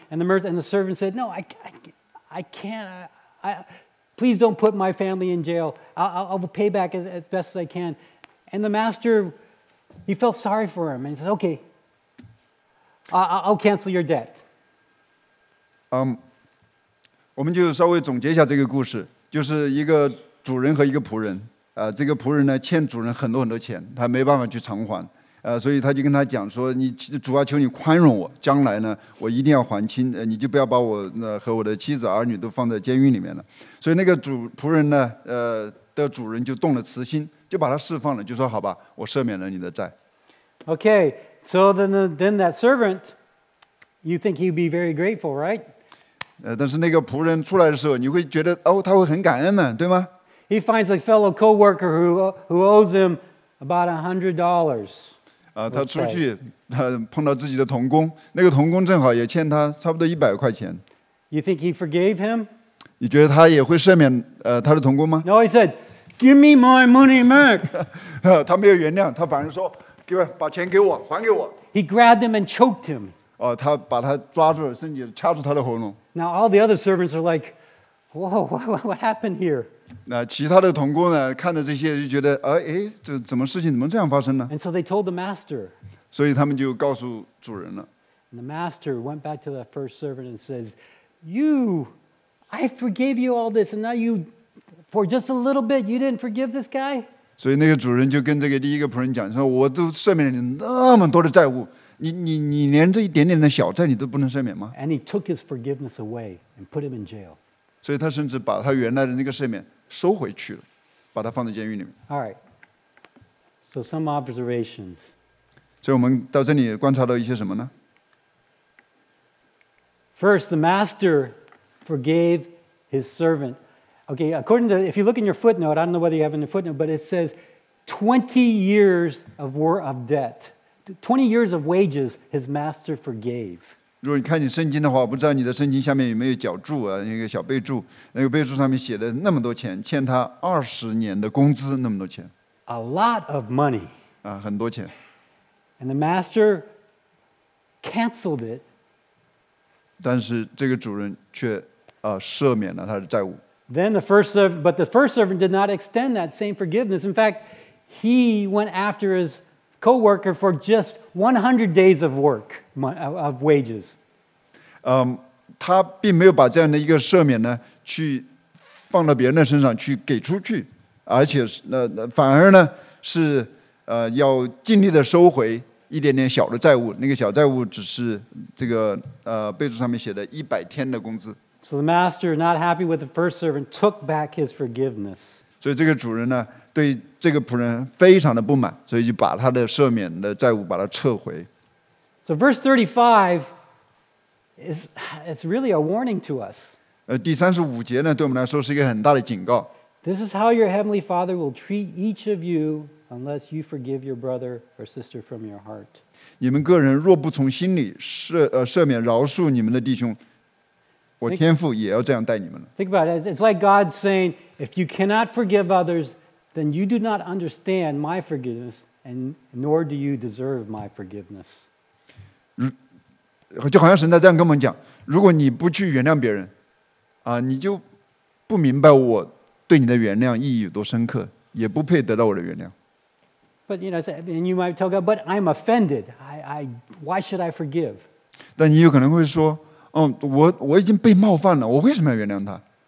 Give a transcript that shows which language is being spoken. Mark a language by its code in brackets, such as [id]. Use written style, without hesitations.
[en] And the servant said, no, I can't. Please don't put my family in jail. I'll pay back as best as I can. And the master, he felt sorry for him. And he said, okay, I'll cancel your debt. [zh] 我们就稍微总结一下这个故事，就是一个主人和一个仆人。这个仆人呢，欠主人很多很多钱，他没办法去偿还。所以他就跟他讲说，你主啊，求你宽容我，将来呢我一定要还清，你就不要把我和我的妻子儿女都放在监狱里面了。所以那个仆人呢的主人就动了慈心，就把他释放了，就说好吧，我赦免了你的债。 [en] Okay, so then that servant, you think he'd be very grateful, right? [zh] 但是那个仆人出来的时候，你会觉得哦，他会很感恩呢，对吗？ [en] He finds a fellow co-worker who owes him about $100. [zh] 他出去，他碰到自己的同工，那个同工正好也欠他差不多100块钱。 [en] You think he forgave him? [zh] 你觉得他也会赦免他的同工吗 [en] ？No, he said, "Give me my money, Mark." [zh] 他没有原谅，他反而说，给我把钱给我，还给我。 [en] He grabbed him and choked him. [zh] 他把他抓住，甚至掐住他的喉咙。 [en] Now all the other servants are like, "Whoa, what happened here?" [zh] 那其他的同工呢，看着这些就觉得，这怎么事情怎么这样发生呢 [en] ？And so they told the master. [zh] 所以他们就告诉主人了。 [en] And the master went back to the first servant and says, "You, I forgave you all this, and now you, for just a little bit, you didn't forgive this guy." [zh] 所以那个主人就跟这个第一个仆人讲说，我都赦免了你那么多的债务。你连这一点点的小债你都不能赦免吗 [en] ？And he took his forgiveness away and put him in jail. [zh] 所以他甚至把他原来的那个赦免收回去了，把他放在监狱里面。 [en] All right. So some observations. [zh] 所以我们到这里观察到一些什么呢 [en] ？First, the master forgave his servant. Okay, according to if you look in your footnote, I don't know whether you have in the footnote, but it says 20 years of war of debt. 20 years of wages his master forgave. [zh] 如果你看你圣经的话，不知道你的圣经下面有没有脚注啊？那个小备注，那个备注上面写的那么多钱，欠他20年的工资那么多钱。 [en] A lot of money. [zh] 很多钱。 [en] And the master canceled it. [zh] 但是这个主人却赦免了他的债务。 [en] Then the first servant did not extend that same forgiveness. In fact, he went after his co-worker for just 100 days of work of wages. [zh] 他并没有把这样的一个赦免呢，去放到别人的身上去给出去，而且反而呢是要尽力的收回一点点小的债务。那个小债务只是这个备注上面写的100天的工资。 [en] So the master, not happy with the first servant, took back his forgiveness. [zh] 所以这个主人呢。对这个仆人非常的不满，所以就把他的赦免的债务把他撤回。 [en] So verse 35 is really a warning to us. [zh] 第35节呢，对我们来说是一个很大的警告。 [en] This is how your heavenly Father will treat each of you unless you forgive your brother or sister from your heart. [zh] 你们个人若不从心里赦免饶恕你们的弟兄，我天父也要这样待你们了。 [en] Think about it. It's like God saying, if you cannot forgive others. Then you do not understand my forgiveness, and nor do you deserve my forgiveness. [zh] 就好像神在这样跟我们讲：如果你不去原谅别人，你就不明白我对你的原谅意义有多深刻，也不配得到我的原谅。 [en] But you know, and you might tell God, "But I'm offended. Why should I forgive?" [zh] 但你有可能会说：我已经被冒犯了，我为什么要原谅他